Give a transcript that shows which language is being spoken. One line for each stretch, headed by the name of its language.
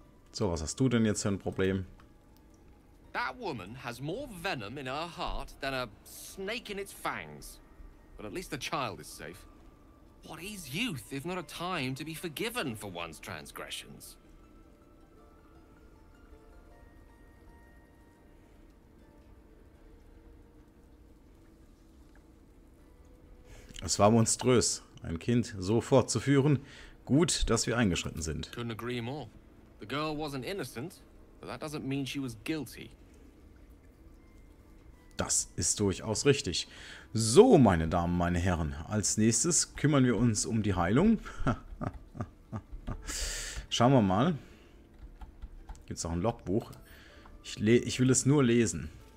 German: So, was hast du denn jetzt für ein Problem?
English: That woman has more venom in her heart than a snake in its fangs. But at least the child is safe. What is youth if not a time to be forgiven for one's transgressions?
German: Es war monströs, ein Kind so fortzuführen. Gut, dass wir eingeschritten sind.
English: Couldn't agree more. The girl wasn't innocent, but that doesn't mean she was guilty.
German: Das ist durchaus richtig. So, meine Damen, meine Herren, als nächstes kümmern wir uns um die Heilung. Schauen wir mal. Gibt es auch ein Logbuch? Ich will es nur lesen.